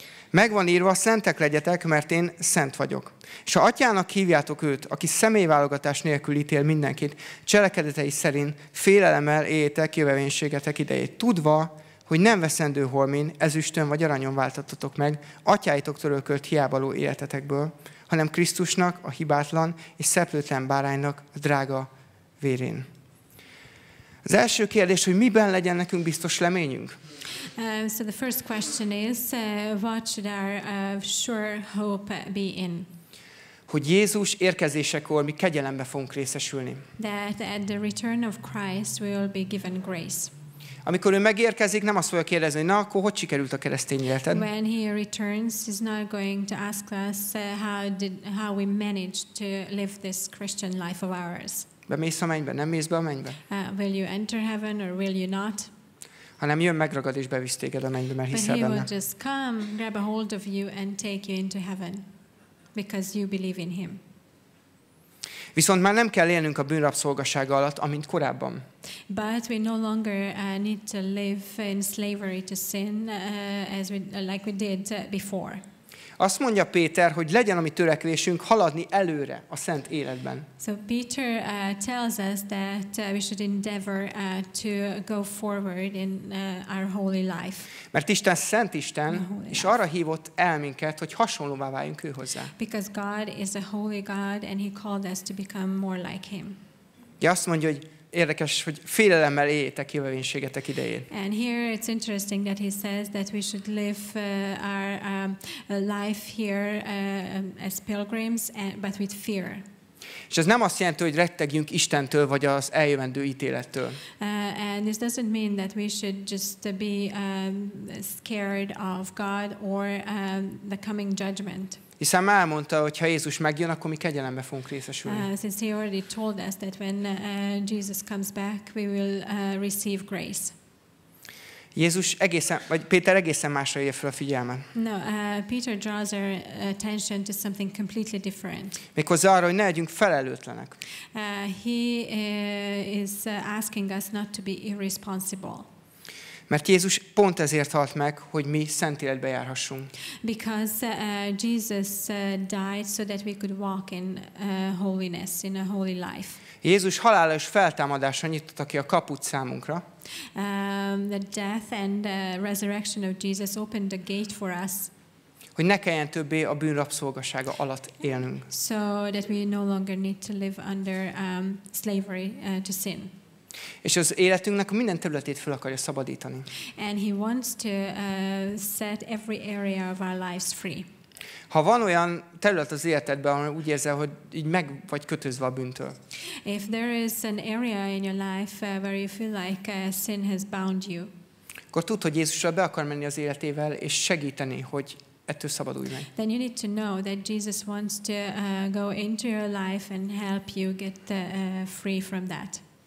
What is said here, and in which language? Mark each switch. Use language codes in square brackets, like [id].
[hu] Megvan írva, szentek legyetek, mert én szent vagyok. És ha atyának hívjátok őt, aki személyválogatás nélkül ítél mindenkit, cselekedetei szerint félelemmel éljétek jövevénységetek idejét, tudva, hogy nem veszendő holmin, ezüstön vagy aranyon váltattatok meg atyáitok törölkölt hiábaló életetekből, hanem Krisztusnak, a hibátlan és szeplőtlen báránynak a drága vérén. Az első kérdés, hogy miben legyen nekünk biztos reményünk? [en] So the first question is, what should our sure hope be in? [hu] Hogy Jézus érkezésekor mi kegyelembe fogunk részesülni. [en] That at the return of Christ we will be given grace. [hu] Amikor ő megérkezik, nem azt fogja kérdezni, na akkor hogy sikerült a keresztény életed? [en] When he returns, he's not going to ask us how we managed to live this Christian life of ours. [hu] Bemész a mennybe, nem mész be a mennybe? [en] Will you enter heaven or will you not? [hu] Hanem jön, megragad és bevisz téged a mennybe, mert hiszel benne. [en] But he will just come, grab a hold of you and take you into heaven, because you believe in him. [hu] Viszont már nem kell élnünk a bűnrabszolgasága alatt, amint korábban. [en] But we no longer need to live in slavery to sin like we did before. [hu] Azt mondja Péter, hogy legyen a mi törekvésünk haladni előre a szent életben. [en] So Peter tells us that we should endeavor to go forward in our holy life. [hu] Mert Isten szent Isten, és arra hívott el minket, hogy hasonlóvá váljunk ő hozzá. [en] Because God is a holy God and he called us to become more like him. [hu] Ja, azt mondja, hogy érdekes, hogy félelemmel éljétek jövevénységetek idején. [en] And here it's interesting that he says that we should live our life here as pilgrims, but with fear. [hu] És ez nem azt jelenti, hogy rettegjünk Istentől vagy az eljövendő ítélettől. [en] And this doesn't mean that we should just be scared of God or the coming judgment. [hu] Hiszen már elmondta, hogy ha Jézus megjön, akkor mi kegyelembe fogunk részesülni. [en] Since he already told us that when Jesus comes back, we will receive grace. [hu] Jézus egészen, vagy Péter egészen másra hívja fel a figyelmet. [en] No, Peter draws our attention to something completely different. [hu] Méghozzá arra, hogy ne legyünk felelőtlenek. [en] He is asking us not to be irresponsible. [hu] Mert Jézus pont ezért halt meg, hogy mi szent életbe járhassunk. [en] Because Jesus died so that we could walk in holiness, in a holy life. [hu] Jézus halála és feltámadása nyitotta ki a kaput számunkra. [en] The death and resurrection of Jesus opened the gate for us. [hu] Hogy ne kelljen többé a bűn rabszolgasága alatt élnünk. [en] So that we no longer need to live under slavery to sin. [hu] És az életünknek minden területét fel akarja szabadítani. [en] And he wants to set every area of our lives free. [hu] Ha van olyan terület az életedben, ahol úgy érzel, hogy így meg vagy kötözve a bűntől. [en] If there is an area in your life where you feel like sin has bound you. [hu] Akkor tudd, hogy Jézusra be akar menni az életével és segíteni, hogy ettől szabadulj meg. [en] Then you need to know that Jesus wants to go into your life and help you get free from that.